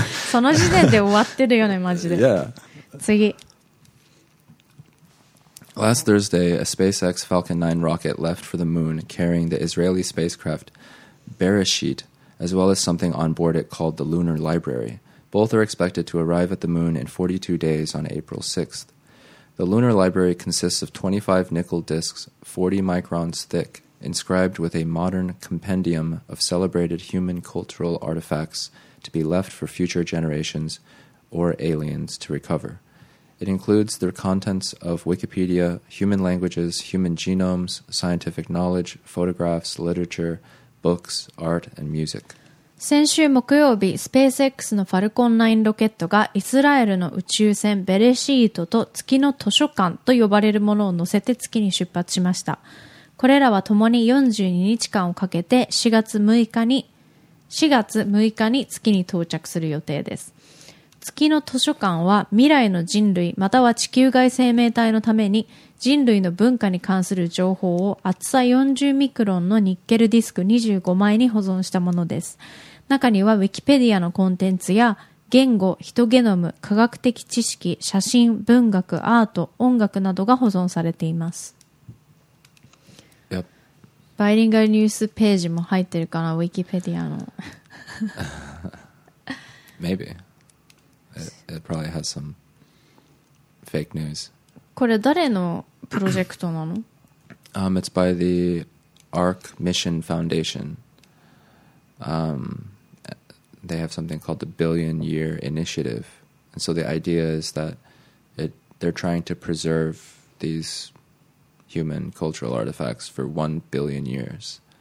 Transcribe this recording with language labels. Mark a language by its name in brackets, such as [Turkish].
[Japanese] その時点で終わってるよね、マジで。 [English] Yeah. [Japanese] 次。 [English] Last Thursday, a SpaceX Falcon 9 rocket left for the moon carrying the Israeli spacecraft Bereshit, as well as something on board it called the Lunar Library. Both are expected to arrive at the moon in 42 days on April 6th. The Lunar Library consists of 25 nickel disks, 40 microns thick, inscribed with a modern compendium of celebrated human cultural artifacts to be left for future generations or aliens to recover. It includes the contents of Wikipedia, human languages, human genomes, scientific knowledge, photographs, literature, books, art, and music. [Japanese] 先週木曜日、SpaceX のファルコン9ロケットがイスラエルの宇宙船ベレシートと月の図書館と呼ばれるものを乗せて月に出発しました。これらは共に42日間をかけて4月6日に月に到着する予定です。月の図書館は未来の人類または地球外生命体のために人類の文化に関する情報を厚さ40ミクロンのニッケルディスク25枚に保存したものです。中にはウィキペディアのコンテンツや言語、ヒトゲノム、科学的知識、写真、文学、アート、音楽などが保存されています。 [English] Yep. [Japanese] バイリンガルニュースページも入ってるかな、ウィキペディアの。 [English] Maybe. It probably has some fake news. [Japanese] これ誰のプロジェクトなの？ [English] It's by the ARC Mission Foundation. They have something called the Billion Year Initiative. And so the idea is that they're trying to preserve these human cultural artifacts for 1 billion years.